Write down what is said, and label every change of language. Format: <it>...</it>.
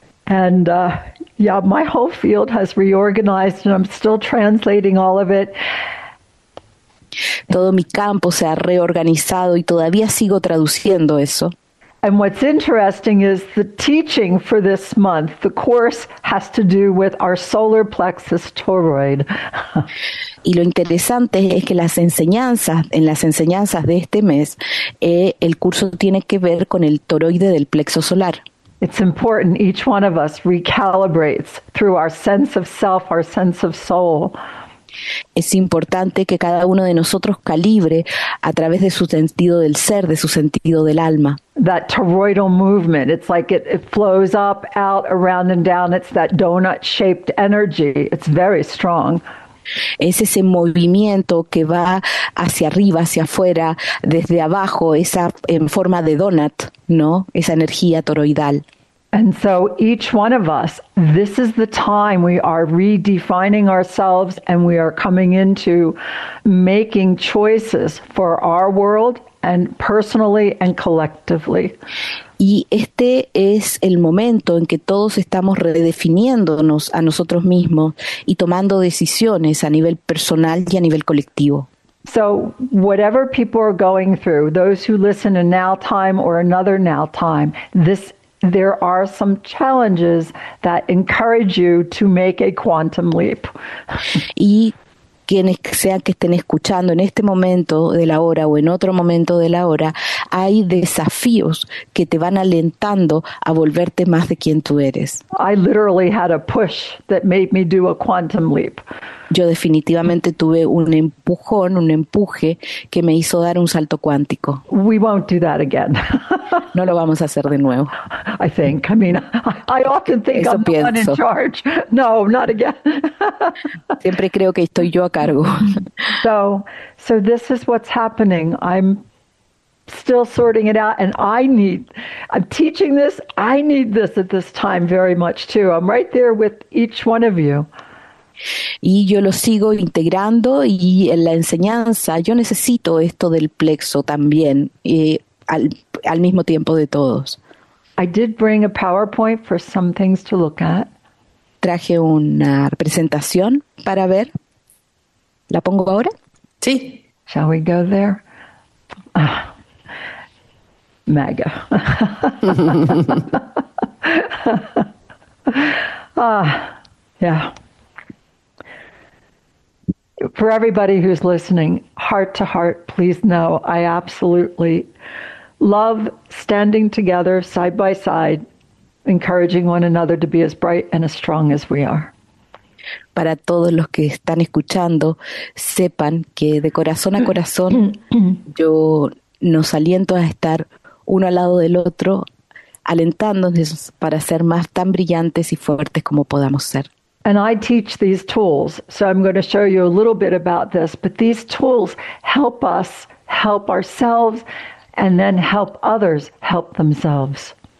<en>And my whole field has reorganized and I'm still translating all of it.</en> <es>Todo mi campo se ha reorganizado y todavía sigo traduciendo eso.</es> <en>And what's interesting is the teaching for this month, the course has to do with our solar plexus toroid.</en> <es>Y lo interesante es que las enseñanzas de este mes, el curso tiene que ver con el toroide del plexo solar.</es> <en>It's important each one of us recalibrates through our sense of self, our sense of soul.</en> <es>Es importante que cada uno de nosotros calibre a través de su sentido del ser, de su sentido del alma.</es> <en>That toroidal movement, it's like it flows up, out, around and down. It's that donut-shaped energy. It's very strong.</en> <es>Es ese movimiento que va hacia arriba, hacia afuera, desde abajo, esa en forma de donut, ¿no? Esa energía toroidal.</es> <en>And so each one of us, this is the time we are redefining ourselves and we are coming into making choices for our world and personally and collectively.</en> <es>Y este es el momento en que todos estamos redefiniéndonos a nosotros mismos y tomando decisiones a nivel personal y a nivel colectivo.</es> <en>So whatever people are going through, those who listen in now time or another now time, there are some challenges that encourage you to make a quantum leap.</en> <es>Y quienes sean que estén escuchando en este momento de la hora o en otro momento de la hora, hay desafíos que te van alentando a volverte más de quien tú eres.</es> <en>I literally had a push that made me do a quantum leap.</en> <es>Yo definitivamente tuve un empuje que me hizo dar un salto cuántico.</es> <en>We won't do that again.</en> <es>No lo vamos a hacer de nuevo.</es> <en>I think. I mean, I often think</en> <es>eso</es> <en>I'm</en> <es>pienso.</es> <en>The one in charge. No, not again.</en> <es>Siempre creo que estoy yo a cargo.</es> <en>So this is what's happening. I'm still sorting it out and I'm teaching this. I need this at this time very much too. I'm right there with each one of you.</en> <es>Y yo lo sigo integrando y en la enseñanza yo necesito esto del plexo también al mismo tiempo de todos.</es> <en>I did bring a PowerPoint for some things to look at.</en> <es>Traje una presentación para ver. ¿La pongo ahora? Sí.</es> <en>Shall we go there?</en> <es>Mega.</es> <en>For everybody who's listening, heart to heart, please know I absolutely love standing together side by side, encouraging one another to be as bright and as strong as we are.</en> <es>para todos los que están escuchando, sepan que de corazón a corazón yo nos aliento a estar uno al lado del otro, alentándonos para ser más tan brillantes y fuertes como podamos ser.</es> <en>And I teach these tools, so I'm going to show you a little bit about this, but these tools help us help ourselves and then help others help themselves.</en>